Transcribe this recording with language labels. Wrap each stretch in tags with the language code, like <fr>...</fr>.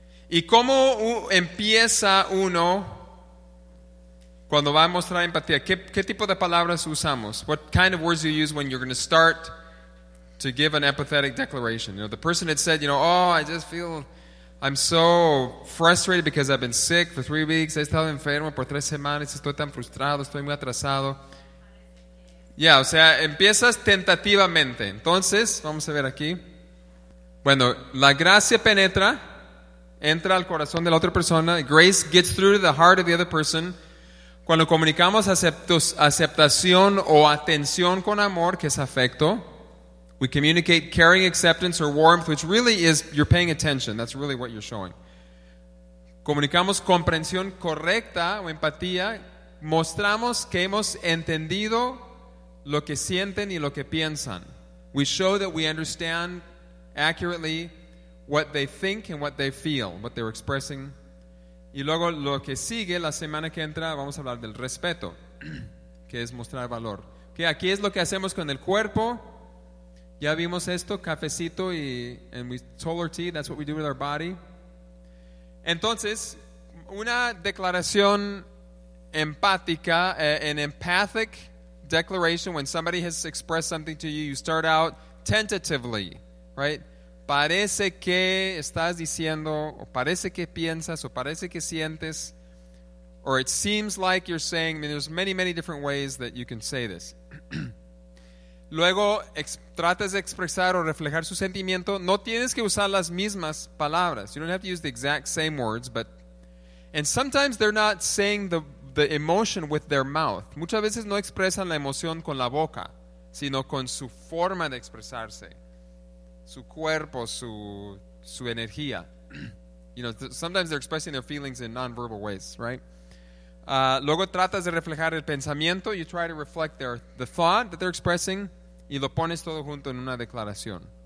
<es>¿Y cómo empieza uno cuando va a mostrar empatía? ¿Qué tipo de palabras usamos?</es> <en>What kind of words do you use when you're going to start to give an empathetic declaration? You know, the person had said, you know, oh, I just feel, I'm so frustrated because I've been sick for 3 weeks.</en> <es>He estado enfermo por 3 semanas. Estoy tan frustrado. Estoy muy atrasado. Yeah, o sea, empiezas tentativamente. Entonces, vamos a ver aquí. Bueno, la gracia penetra, entra al corazón de la otra persona.</es> <en>Grace gets through to the heart of the other person.</en> <es>Cuando comunicamos aceptación o atención con amor, que es afecto,</es> <en>we communicate caring acceptance or warmth, which really is, you're paying attention. That's really what you're showing.</en> <es>Comunicamos comprensión correcta o empatía. Mostramos que hemos entendido lo que sienten y lo que piensan.</es> <en>We show that we understand accurately what they think and what they feel, what they're expressing.</en> <es>Y luego lo que sigue, la semana que entra, vamos a hablar del respeto, que es mostrar valor. Ok, Que aquí es lo que hacemos con el cuerpo. Ya vimos esto, cafecito y</es> <en>and we, solar tea, that's what we do with our body.</en> <es>Entonces, una declaración empática,</es> <en>an empathic declaration, when somebody has expressed something to you, you start out tentatively, right?</en> <es>Parece que estás diciendo, o parece que piensas, o parece que sientes,</es> <en>or it seems like you're saying, I mean, there's many, many different ways that you can say this.</en> <es>Luego, tratas de expresar o reflejar su sentimiento. No tienes que usar las mismas palabras.</es> <en>You don't have to use the exact same words, but... And sometimes they're not saying the emotion with their mouth.</en> <es>Muchas veces no expresan la emoción con la boca, sino con su forma de expresarse. Su cuerpo, su energía.</es> <en>You know, sometimes they're expressing their feelings in non-verbal ways, right?</en> <es>Luego tratas de reflejar el pensamiento.</es> <en>You try to reflect the thought that they're expressing.</en> <es>Y lo pones todo junto en una declaración.</es>